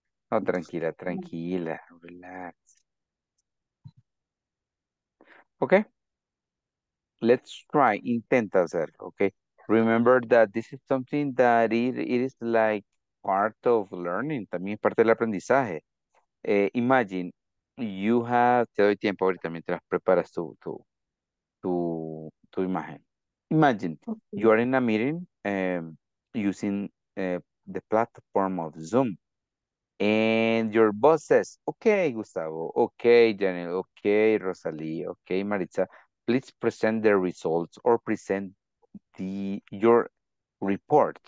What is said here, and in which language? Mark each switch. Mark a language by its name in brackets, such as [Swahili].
[Spanish] No, tranquila, tranquila. Relax. [English] Okay. Let's try. [Spanish] Intenta hacerlo, [English] okay? Remember that this is something that it is like part of learning. [Spanish] También es parte del aprendizaje. [English] Imagine, you have... [Spanish] Te doy tiempo ahorita mientras preparas tu imagen. [English] Imagine, okay. You are in a meeting using the platform of Zoom. And your boss says, okay, Gustavo. Okay, Janelle. Okay, Rosalie. Okay, Maritza. Please present the results or present your report.